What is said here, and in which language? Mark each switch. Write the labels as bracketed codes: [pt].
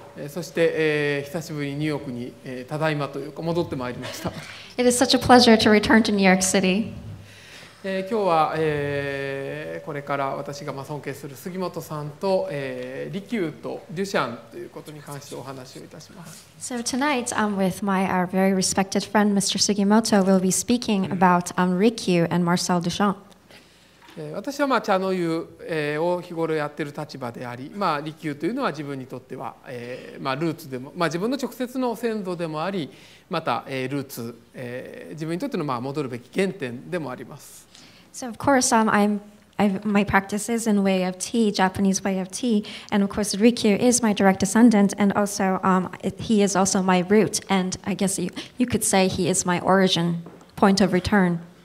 [ja] そして、久しぶりにニューヨークに、ただいまというか戻ってまいりました。 [en] It is such a pleasure to return to New York City. [ja] 今日はこれから私が尊敬する杉本さんと、リキューとデュシャンということに関してお話をいたします。 [en] So tonight, with my very respected friend, Mr. Sugimoto, we'll be speaking about Rikyu and Marcel Duchamp. [ja] 私は茶の湯を日頃やっている立場であり、リキューというのは自分にとってはルーツでも、自分の直接の先祖でもあり、ルーツ、自分にとっての戻るべき原点でもあります。 [en] So of course, my practice is in way of tea, Japanese way of tea, and of course Rikyu is my direct descendant, and also he is also my root, and I guess you could say he is my origin, point of return.